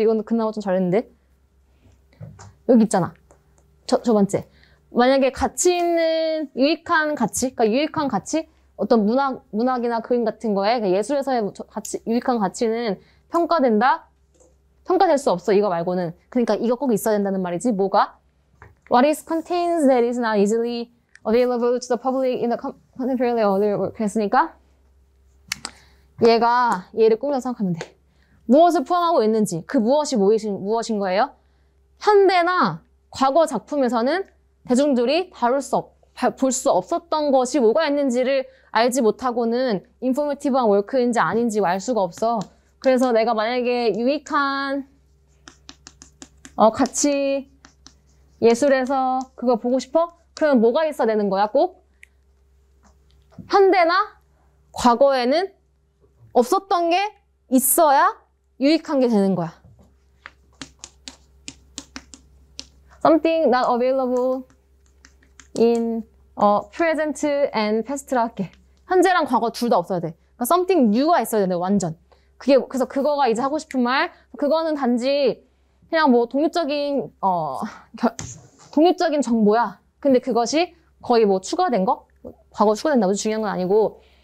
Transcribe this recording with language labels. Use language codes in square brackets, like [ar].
[ko] 이건 그나마 좀 잘했는데. 여기 있잖아. 저 번째. 만약에 가치 있는 유익한 가치, 그러니까 유익한 가치, 어떤 문학이나 그림 같은 거에, 그러니까 예술에서의 가치, 유익한 가치는 평가된다? 평가될 수 없어, 이거 말고는. 그러니까 이거 꼭 있어야 된다는 말이지. 뭐가? [en] What is contained that is not easily available to the public in the contemporary other work? [ko] 했으니까 얘가 얘를 꾸며서 생각하면 돼. 무엇을 포함하고 있는지, 그 무엇이 무엇인 거예요? 현대나 과거 작품에서는 대중들이 다룰 수 없, 볼 수 없었던 것이 뭐가 있는지를 알지 못하고는 인포메티브한 워크인지 아닌지 알 수가 없어. 그래서 내가 만약에 유익한 가치 예술에서 그거 보고 싶어? 그러면 뭐가 있어야 되는 거야, 꼭? 현대나 과거에는 없었던 게 있어야 유익한 게 되는 거야. [en] Something not available in a present and past라 [ko] 할게. 현재랑 과거 둘 다 없어야 돼. 그러니까 [en] something new [ko] 가 있어야 돼, 완전. 그게, 그래서 그거가 이제 하고 싶은 말, 그거는 단지 그냥 뭐 독립적인, 독립적인 정보야. 근데 그것이 거의 뭐 추가된 거? 과거 추가된다고 중요한 건 아니고.